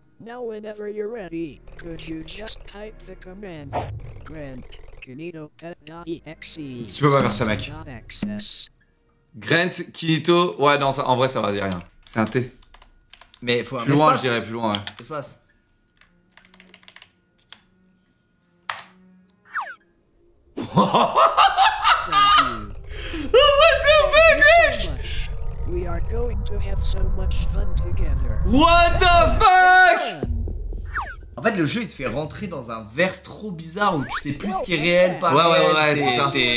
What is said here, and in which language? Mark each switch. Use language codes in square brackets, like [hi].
[en] Now whenever you're ready, could you just type the command grant kinito.exe. [fr] Tu peux pas faire ça, mec. Grant kinito. Ouais, non, ça, en vrai, ça va dire rien. C'est un T. Mais faut un plus espace. Loin, je dirais plus loin, ouais. Espace. [en] We are going to have so much fun together. What the fuck? [fr] En fait, le jeu il te fait rentrer dans un verse trop bizarre où tu sais plus ce qui est réel par ouais, réel. Ouais, ouais, ouais, c'est ça.